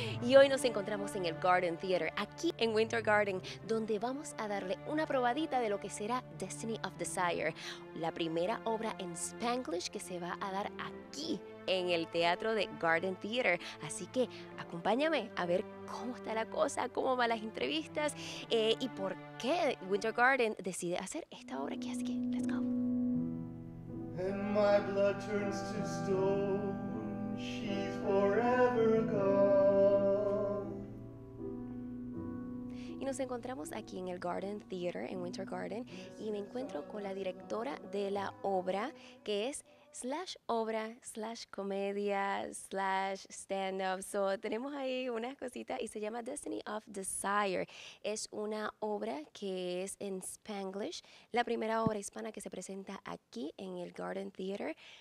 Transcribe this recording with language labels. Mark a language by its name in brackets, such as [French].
[Spanish] Y hoy nos encontramos en el Garden Theater, aquí en Winter Garden, donde vamos a darle una probadita de lo que será Destiny of Desire, la primera obra en Spanglish que se va a dar aquí en el teatro de Garden Theater. Así que acompáñame a ver cómo está la cosa, cómo van las entrevistas y por qué Winter Garden decide hacer esta obra aquí. Así que, [English] let's go. And my blood turns to stone, she's forever gone. [Spanish] Y nos encontramos aquí en el Garden Theater, en Winter Garden, y me encuentro con la directora de la obra, que es slash obra, slash comedia, slash stand-up. So, tenemos ahí unas cositas y se llama Destiny of Desire. Es una obra que es en Spanglish, la primera obra hispana que se presenta aquí en el Garden Theater.